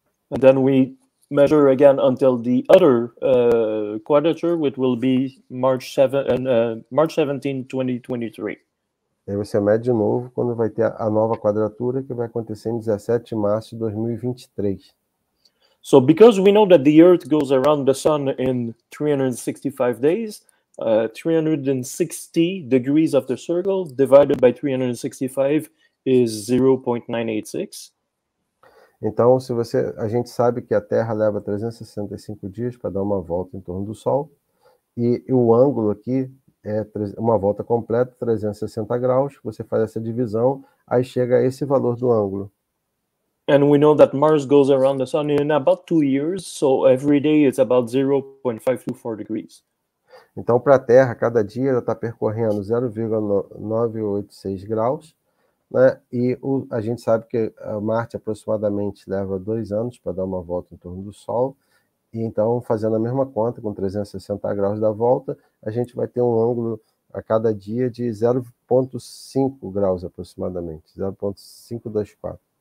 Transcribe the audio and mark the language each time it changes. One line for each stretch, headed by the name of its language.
English: And then we measure again until the other quadrature, which will be March 17, 2023.
Portuguese: Aí você mede de novo quando vai ter a nova quadratura, que vai acontecer em 17 de março de 2023.
English: So because we know that the Earth goes around the Sun in 365 days, 360 degrees of the circle divided by 365 is 0.986.
Portuguese: Então, se você, a gente sabe que a Terra leva 365 dias para dar uma volta em torno do Sol, e o ângulo aqui é uma volta completa, 360 graus, você faz essa divisão, aí chega a esse valor do ângulo.
English: And we know that Mars goes around the Sun in about 2 years, so every day it's about 0.524 degrees.
Portuguese: Então, para a Terra, cada dia ela está percorrendo 0,986 graus, né? E a gente sabe que a Marte aproximadamente leva 2 anos para dar uma volta em torno do Sol. E então, fazendo a mesma conta, com 360 graus da volta, a gente vai ter um ângulo a cada dia de 0,5 graus aproximadamente, 0,524.